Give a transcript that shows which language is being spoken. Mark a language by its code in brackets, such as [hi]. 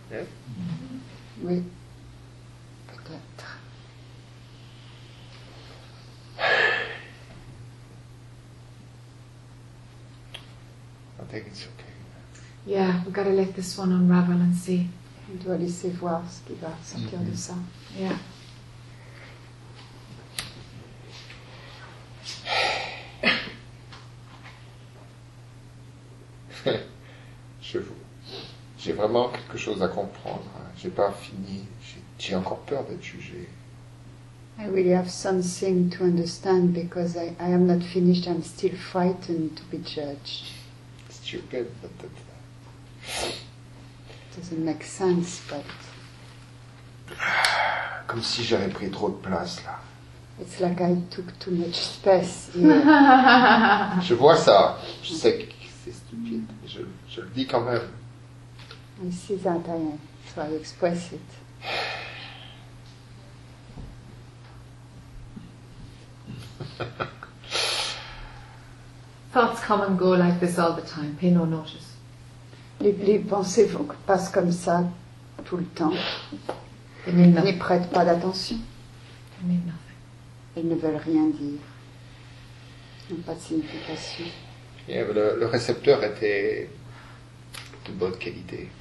[en] Yeah. [fr] Oui. Peut-être. [en] I think it's okay. Yeah, we've got to let this one unravel and see. [fr] On doit laisser voir ce qui va sortir de ça. [en] Yeah. [fr] J'ai vraiment quelque chose à comprendre. J'ai pas fini. J'ai encore peur d'être jugé. [en] I really have something to understand because I am not finished. I'm still frightened to be judged. Stupid, but that doesn't make sense. But [fr] comme si j'avais pris trop de place là. [en] It's like I took too much space. Yeah. [fr] Je vois ça. Je sais que c'est stupide. Je le dis quand même. [en] I see that, so I express it. Thoughts come and go like this all the time, pay no notice. [fr] Les pensées vont passent comme ça tout le temps. [en] They mean nothing. [fr] N'y prête pas d'attention. [en] They mean nothing. [fr] Elles ne veulent rien dire. Elles n'ont pas de signification. [en] Yeah, but [fr] le récepteur était... de bonne qualité.